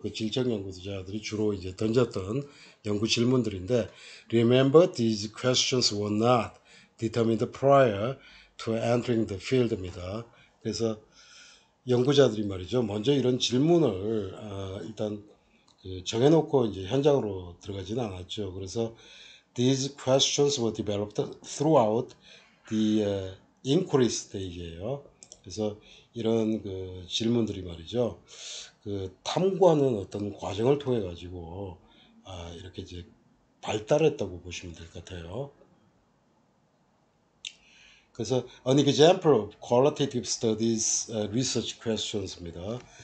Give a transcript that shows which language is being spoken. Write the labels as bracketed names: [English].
[Korean] 그 질적 연구자들이 주로 이제 던졌던 연구 질문들인데, [English] remember these questions were not determined prior to entering the field입니다. [Korean] 그래서 연구자들이 말이죠. 먼저 이런 질문을 일단 정해놓고 이제 현장으로 들어가지는 않았죠. [English] 그래서 these questions were developed throughout the inquiry stage예요. [Korean] 그래서 이런 그 질문들이 말이죠. 그 탐구하는 어떤 과정을 통해 가지고 이렇게 이제 발달했다고 보시면 될것 같아요. [English] 그래서 an example of qualitative studies research questions입니다.